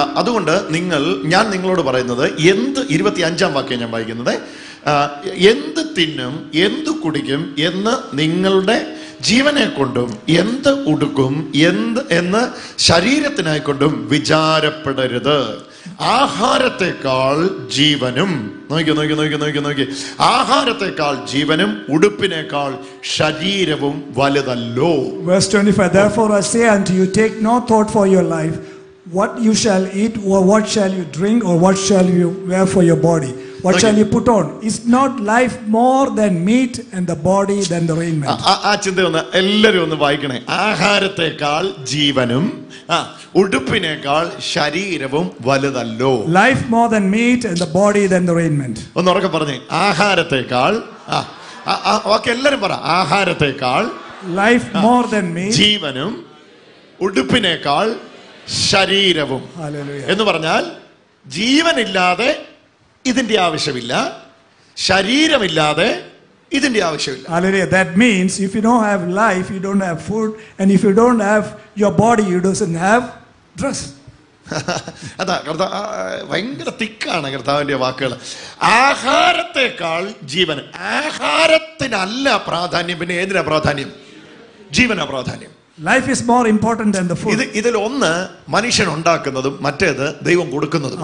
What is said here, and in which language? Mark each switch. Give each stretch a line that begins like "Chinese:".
Malayalam: അതുകൊണ്ട് നിങ്ങൾ, ഞാൻ നിങ്ങളോട് പറയുന്നത് എന്ത്, 25 വാക്യം ഞാൻ വായിക്കുന്നത്, എന്ത് തിന്നും എന്ത് കുടിക്കും എന്ന് നിങ്ങളുടെ ജീവനെ കൊണ്ടും എന്ത് ഉടുക്കും എന്ത് എന്ന് ശരീരത്തിനായി കൊണ്ടും വിചാരപ്പെടരുത്. ആഹാരത്തെക്കാൾ ജീവനും, നോക്കി നോക്കി നോക്കി നോക്കി നോക്കി, ആഹാരത്തെക്കാൾ ജീവനും ഉടുപ്പിനേക്കാൾ ശരീരവും വലുതല്ലോ.
English: Verse 25. Therefore I say unto you, take no thought for your life, what you shall eat, or what shall you drink, or what shall you wear for your body, what shall you put on? Is not life more than meat, and the body than the raiment?
Malayalam: ആ ചിന്ത ഒന്ന് എല്ലാവരും ഒന്ന് വായിക്കണേ. ആഹാരത്തെക്കാൾ ജീവനും ഉടുപ്പിനേക്കാൾ ശരീരവും വലുതല്ലോ.
English: Life more than meat, and the body than the raiment.
Malayalam: ഒന്ന് ഉറക്കെ പറഞ്ഞേ, ആഹാരത്തെക്കാൾ, ഓക്കെ എല്ലാവരും പറ, ആഹാരത്തെക്കാൾ,
English: life more than meat,
Malayalam: ജീവനും ഉടുപ്പിനേക്കാൾ ശരീരവും. ഹല്ലേലൂയ. എന്ന് പറഞ്ഞാൽ ജീവനില്ലാതെ ഇതിന്റെ ആവശ്യമില്ല, ശരീരമില്ലാതെ ഇതിന്റെ ആവശ്യമില്ല. Hallelujah.
English: That means if you don't have life, you don't have food, and if you don't have your body, you doesn't have dress.
Malayalam: അതാ കർത്താവ് ഭയങ്കര തിക്കാണ് കർത്താവിന്റെ വാക്കുകൾ. ആഹാരത്തെക്കാൾ ജീവൻ, ആഹാരത്തിനല്ല പ്രാധാന്യം, പിന്നെ ഏതിനാ പ്രാധാന്യം? ജീവനാ പ്രാധാന്യം.
English: Life is more important than the food.
Malayalam: ഇതിൽ ഒന്ന് മനുഷ്യൻ ഉണ്ടാക്കുന്നതും മറ്റേത് ദൈവം കൊടുക്കുന്നതും.